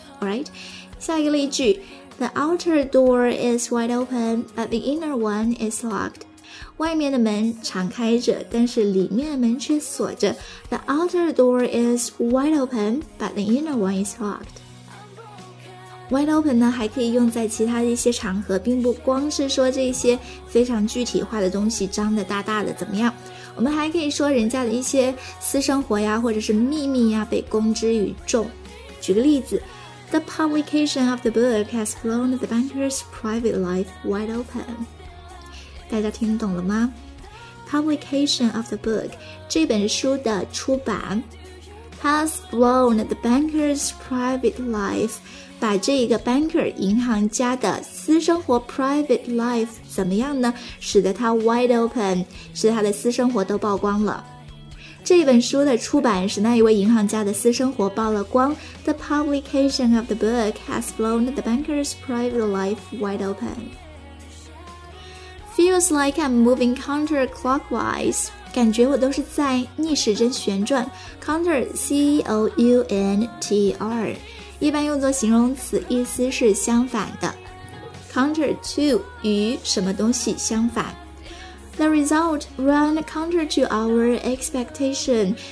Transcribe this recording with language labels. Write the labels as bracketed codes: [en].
[en] Alright， [zh] 下一个例句， [en] The outer door is wide open, but the inner one is locked. [zh] 外面的门敞开着，但是里面的门却锁着。 [en] The outer door is wide open, but the inner one is locked. [zh] Wide open 呢，还可以用在其他的一些场合，并不光是说这些非常具体化的东西张得大大的怎么样。我们还可以说人家的一些私生活呀，或者是秘密呀，被公之于众。举个例子， [en] The publication of the book has blown the banker's private life wide open. [zh] 大家听懂了吗？ [en] Publication of the book， [zh] 这本书的出版， [en] has blown the banker's private life， [zh] 把这个 [en] banker [zh] 银行家的私生活 [en] private life [zh] 怎么样呢？使得他 wide open， 使得他的私生活都曝光了。这本书的出版使那一位银行家的私生活曝了光。 [en] The publication of the book has blown the banker's private life wide open. Feels like I'm moving counterclockwise. [zh] 感觉我都是在逆时针旋转。 Counter, C-O-U-N-T-R， 一般用作形容词，意思是相反的。 [en] Counter to， [zh] 与什么东西相反。 [en] The result ran counter to our expectation.